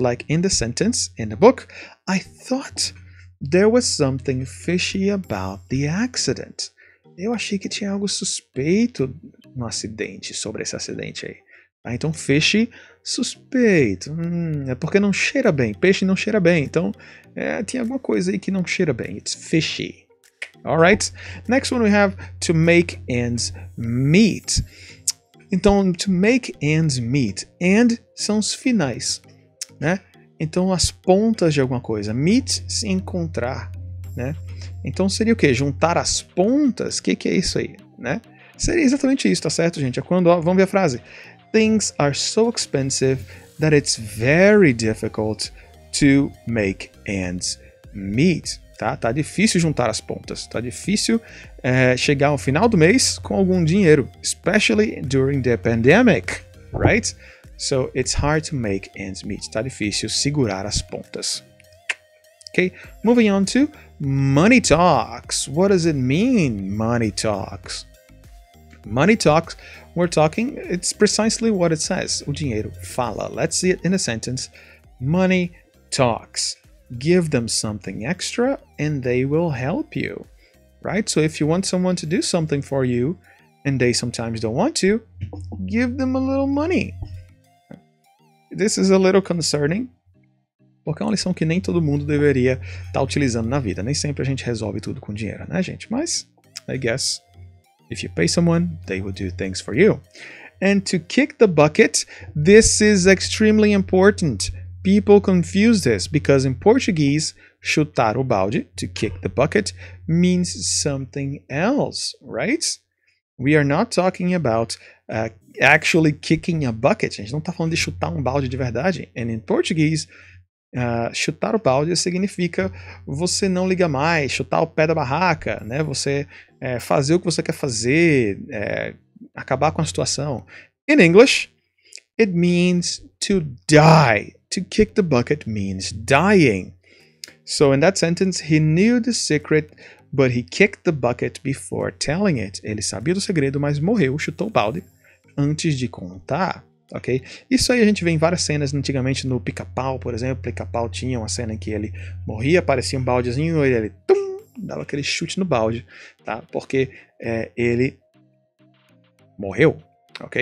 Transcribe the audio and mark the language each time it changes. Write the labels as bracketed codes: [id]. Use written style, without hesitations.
[en] Like in the sentence in the book, I thought there was something fishy about the accident. [pt] Eu achei que tinha algo suspeito no acidente, sobre esse acidente aí. Tá, então, fishy, suspeito. É porque não cheira bem. Peixe não cheira bem. Então, tem alguma coisa aí que não cheira bem. [en] It's fishy. All right. Next one we have to make ends meet. [pt] Então, [en] to make ends meet. [pt] And são os finais, né? Então, as pontas de alguma coisa. Meet, se encontrar, né? Então, seria o quê? Juntar as pontas? O que, que é isso aí, né? Seria exatamente isso, tá certo, gente? É quando, ó, vamos ver a frase. [en] Things are so expensive that it's very difficult to make ends meet. [pt] Tá? Tá difícil juntar as pontas. Tá difícil chegar ao final do mês com algum dinheiro. [en] Especially during the pandemic, right? So it's hard to make ends meet. [pt] Tá difícil segurar as pontas. [en] Okay, moving on to money talks. What does it mean, money talks? Money talks, we're talking, it's precisely what it says. [pt] O dinheiro fala. [en] Let's see it in a sentence. Money talks. Give them something extra and they will help you. Right? So if you want someone to do something for you and they sometimes don't want to, give them a little money. This is a little concerning. [pt] Porque é uma lição que nem todo mundo deveria estar utilizando na vida. Nem sempre a gente resolve tudo com dinheiro, né, gente? Mas, [en] I guess, if you pay someone, they will do things for you. And to kick the bucket, this is extremely important. People confuse this because in Portuguese, [pt] chutar o balde, [en] to kick the bucket, means something else, right? We are not talking about actually kicking a bucket. [pt] A gente não está falando de chutar um balde de verdade. And in Portuguese, chutar o balde significa você não liga mais, chutar o pé da barraca, né? Você fazer o que você quer fazer, acabar com a situação. [en] In English, it means to die. To kick the bucket means dying. So in that sentence, he knew the secret, but he kicked the bucket before telling it. [pt] Ele sabia do segredo, mas morreu, chutou o balde antes de contar. Ok? Isso aí a gente vê em várias cenas, antigamente no Pica-Pau, por exemplo. Pica-Pau tinha uma cena em que ele morria, aparecia um baldezinho, ele tum, dava aquele chute no balde, tá? Porque ele morreu, ok?